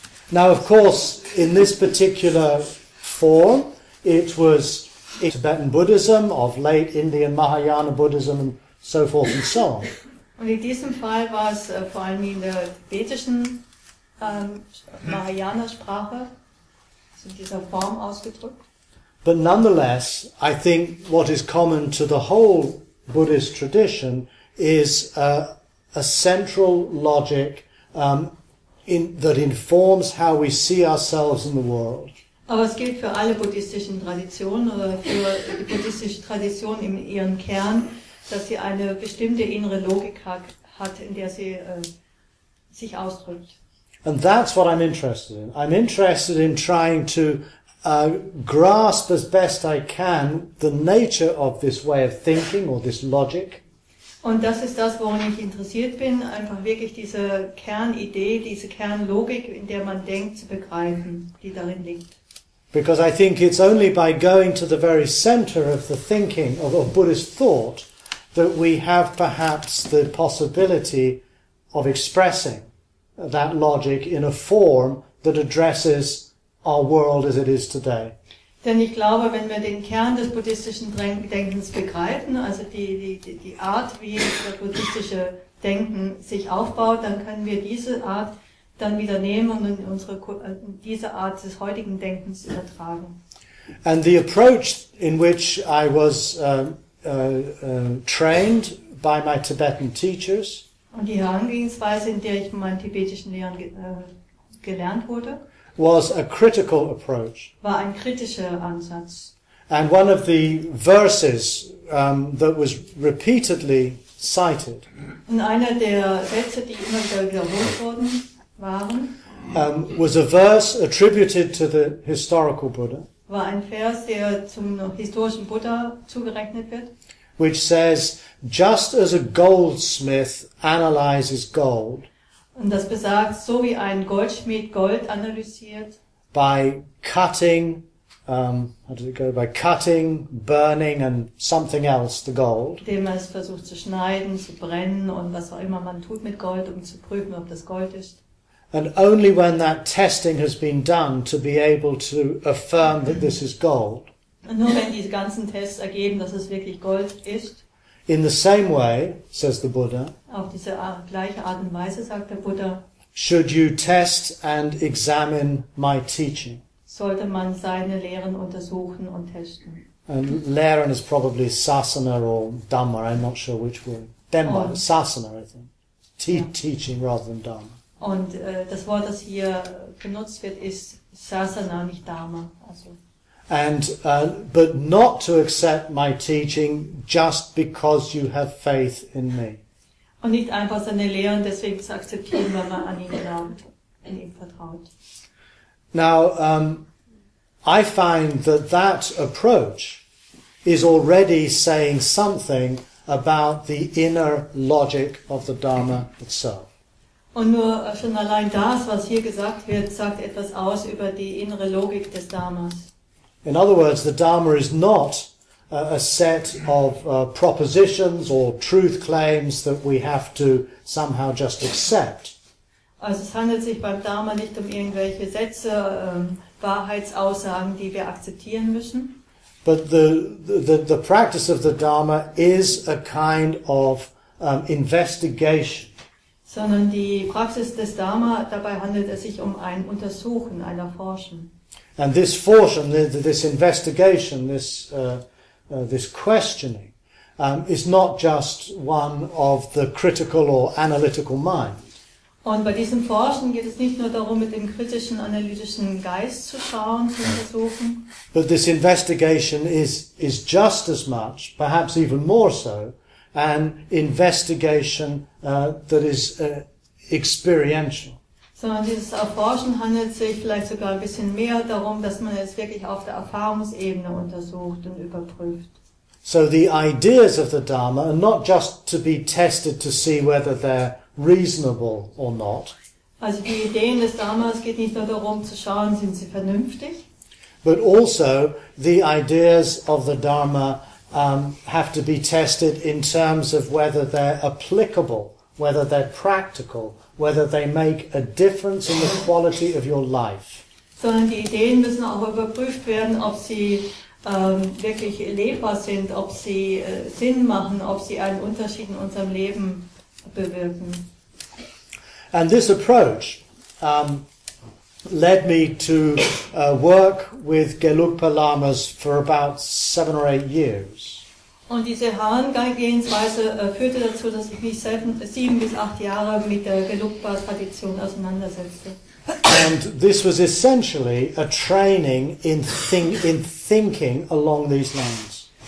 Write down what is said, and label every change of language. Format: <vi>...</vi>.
<en>Now, of course, in this particular form, it was Tibetan Buddhism, of late Indian Mahayana Buddhism, and so forth and so on.</en> <de>Und in diesem Fall war es vor allem in der tibetischen Mahayana-Sprache, in dieser Form ausgedrückt.</de> <en>But nonetheless, I think what is common to the whole Buddhist tradition is a central logic that informs how we see ourselves in the world.</en> <de>Aber es gilt für alle buddhistischen Traditionen oder für die buddhistische Tradition in ihrem Kern, dass sie eine bestimmte innere Logik hat, in der sie sich ausdrückt.</de> <en>And that's what I'm interested in. I'm interested in trying to grasp as best I can the nature of this way of thinking or this logic.</en> <de>Und das ist das, worin ich interessiert bin, einfach wirklich diese Kernidee, diese Kernlogik, in der man denkt, zu begreifen, die darin liegt.</de> <en>Because I think it's only by going to the very center of the thinking of Buddhist thought that we have perhaps the possibility of expressing that logic in a form that addresses our world as it is today.</en> <de>Denn ich glaube, wenn wir den Kern des buddhistischen Denkens begreifen, also die Art, wie das buddhistische Denken sich aufbaut, dann können wir diese Art dann wieder nehmen und diese Art des heutigen Denkens übertragen.</de> <en>And the approach in which I was trained by my Tibetan teachers.</en> <de>Und die Herangehensweise, in der ich meinen tibetischen Lehrern gelernt wurde.</de> <en>Was a critical approach.</en> <de>War ein kritischer Ansatz.</de> <en>And one of the verses that was repeatedly cited.</en> <de>Und einer der Sätze, die immer wieder wiederholt wurden, waren.</de> <en>Was a verse attributed to the historical Buddha.</en> <de>War ein Vers, der zum historischen Buddha zugerechnet wird.</de> <en>Which says, just as a goldsmith analyzes gold.</en> <de>Und das besagt, so wie ein Goldschmied Gold analysiert.</de> <en>By cutting, how does it go? By cutting, burning and something else, the gold.</en> <de>Indem man es versucht zu schneiden, zu brennen und was auch immer man tut mit Gold, um zu prüfen, ob das Gold ist.</de> <en>And only when that testing has been done to be able to affirm that this is gold.</en> <de>Und nur wenn diese ganzen Tests ergeben, dass es wirklich Gold ist.</de> <en>In the same way, says the Buddha,</en> <de>auf diese gleiche Art und Weise, sagt der Buddha,</de> <en>should you test and examine my teaching?</en> <de>Sollte man seine Lehren untersuchen und testen.</de> <en>And Lehren is probably Sasana or Dhamma, I'm not sure which word. Dhamma, Sasana, I think. Teaching rather than Dhamma.</en> <de>Und das Wort, das hier benutzt wird, ist Sasana, nicht Dhamma. Also.</de> <en>And but not to accept my teaching just because you have faith in me.</en> <de>Und nicht einfach seine Lehren deswegen zu akzeptieren, weil man an ihn glaubt, an ihm vertraut.</de> <en>Now, I find that that approach is already saying something about the inner logic of the Dharma itself.</en> <de>Und nur schon allein das, was hier gesagt wird, sagt etwas aus über die innere Logik des Dharmas.</de> <en>In other words, the Dharma is not a set of propositions or truth claims that we have to somehow just accept.</en> <de>Also es handelt sich beim Dharma nicht um irgendwelche Sätze, Wahrheitsaussagen, die wir akzeptieren müssen.</de> <en>But the practice of the Dharma is a kind of investigation.</en> <de>Sondern die Praxis des Dharma, dabei handelt es sich um ein Untersuchen, ein Erforschen.</de> <en>And this forschen, this investigation, this questioning, is not just one of the critical or analytical mind.</en> <de>Und bei diesem Forschen geht es nicht nur darum, mit dem kritischen, analytischen Geist zu schauen, zu untersuchen.</de> <en>But this investigation is just as much, perhaps even more so, an investigation that is experiential.</en> <de>Sondern dieses Erforschen handelt sich vielleicht sogar ein bisschen mehr darum, dass man es wirklich auf der Erfahrungsebene untersucht und überprüft.</de> <en>So the ideas of the Dharma are not just to be tested to see whether they're reasonable or not.</en> <de>Also die Ideen des Dharmas geht nicht nur darum zu schauen, sind sie vernünftig.</de> <en>But also the ideas of the Dharma have to be tested in terms of whether they're applicable, whether they're practical, whether they make a difference in the quality of your life.</en> <de>Sondern die Ideen müssen auch überprüft werden, ob sie wirklich lebbar sind, ob sie Sinn machen, ob sie einen Unterschied in unserem Leben bewirken.</de> <en>And this approach led me to work with Gelugpa Lamas for about 7 or 8 years.</en> <de>Und diese Herangehensweise führte dazu, dass ich mich 7 bis 8 Jahre mit der Gelugpa-Tradition auseinandersetzte.</de> <en>And this was essentially a training in thinking along these lines.</en>